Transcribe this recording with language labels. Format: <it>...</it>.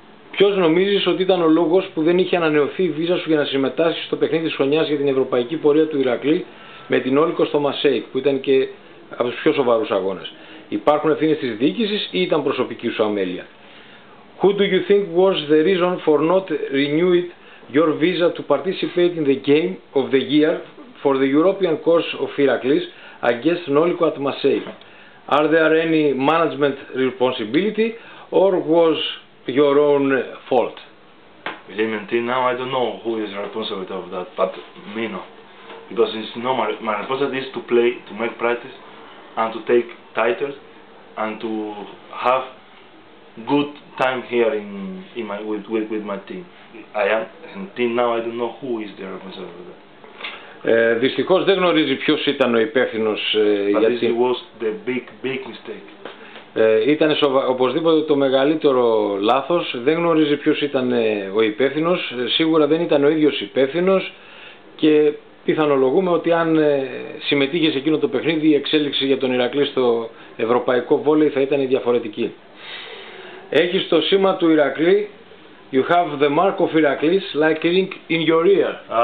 <el>Ποιος νομίζεις ότι ήταν ο λόγος που δεν είχε ανανεωθεί η βίζα σου για να συμμετάσχεις στο παιχνίδι της χρονιάς για την ευρωπαϊκή πορεία του Ηρακλή με την Όλικο στο Μασέικ, που ήταν και από τους πιο σοβαρούς αγώνες? Υπάρχουν ευθύνες της διοίκησης ή ήταν προσωπική σου αμέλεια?</el> <en>Who do you think was the reason for not renewing your visa to participate in the game of the year for the European course of Ηρακλής against Όλικο at Μασέικ? Are there any management responsibility or was your own fault? Believe me, now I don't know who is responsible of that, but me no. Because it's no, my responsibility is to play, to make practice, and to take titles, and to have good time here with my team. I am, until now I don't know who is the responsible of that.</en> <el>Δυστυχώς δεν γνωρίζει ποιος ήταν ο υπεύθυνος.</el> <en>But this was the big mistake.</en> <el>Ήταν οπωσδήποτε το μεγαλύτερο λάθος. Δεν γνωρίζει ποιος ήταν ο υπεύθυνος. Σίγουρα δεν ήταν ο ίδιος υπεύθυνος, και πιθανολογούμε ότι αν συμμετείχε σε εκείνο το παιχνίδι, η εξέλιξη για τον Ηρακλή στο ευρωπαϊκό βόλεϊ θα ήταν διαφορετική. Έχεις το σήμα του Ηρακλή.</el> <en>You have the mark of Ηρακλής, like ring in your ear.</en>